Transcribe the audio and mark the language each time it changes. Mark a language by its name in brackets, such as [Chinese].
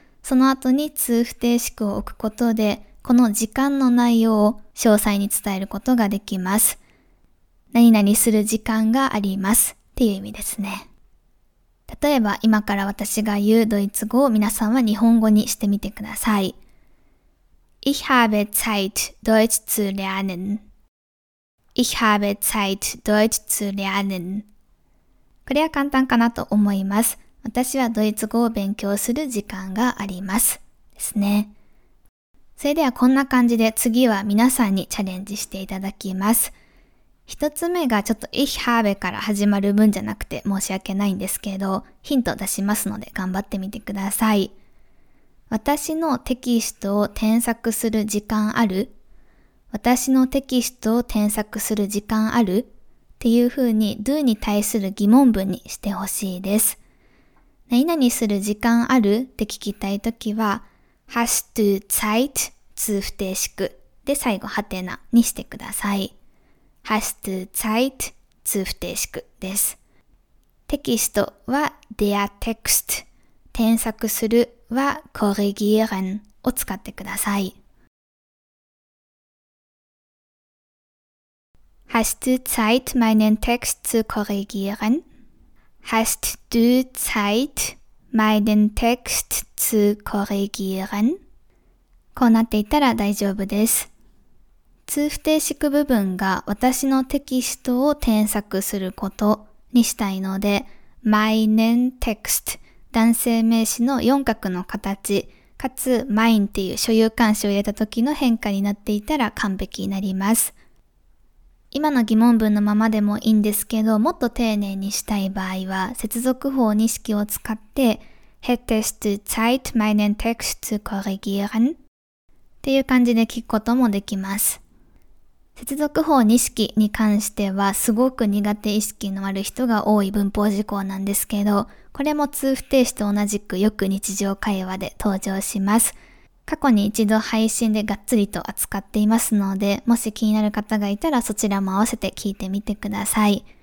[Japanese] その後に通不定式を置くことで、この時間の内容を詳細に伝えることができます。何々する時間がありますっていう意味ですね。例えば今から私が言うドイツ語を皆さんは日本語にしてみてください。 [German] Ich habe Zeit, Deutsch zu lernen. Ich habe Zeit, Deutsch zu lernen. [Japanese] これは簡単かなと思います。私はドイツ語を勉強する時間があります。ですね。それではこんな感じで次は皆さんにチャレンジしていただきます。一つ目がちょっと Ich habe から始まる文じゃなくて申し訳ないんですけど、ヒント出しますので頑張ってみてください。私のテキストを添削する時間ある？私のテキストを添削する時間ある？っていう風に do に対する疑問文にしてほしいです。何々する時間ある？って聞きたいときは [German] hast du Zeit? [Japanese] 通不定式で最後はてなにしてください。 [German] hast du Zeit? [Japanese] 通不定式です。テキストは der Text 添削するは korrigieren を使ってください。 [German] hast du Zeit, meinen Text zu korrigieren? Hast du Zeit, meinen Text zu korrigieren? [Japanese] こうなっていたら大丈夫です。通不定式部分が私のテキストを添削することにしたいので、 [German] meinen Text [Japanese] 男性名詞の四角の形、かつ mein っていう所有冠詞を入れた時の変化になっていたら完璧になります。今の疑問文のままでもいいんですけど、もっと丁寧にしたい場合は、接続法二式を使って、 [German] Hättest du Zeit, meinen Text zu korrigieren? [Japanese] っていう感じで聞くこともできます。接続法二式に関しては、すごく苦手意識のある人が多い文法事項なんですけど、これも通不定詞と同じくよく日常会話で登場します。過去に一度配信でがっつりと扱っていますので、もし気になる方がいたらそちらも合わせて聞いてみてください。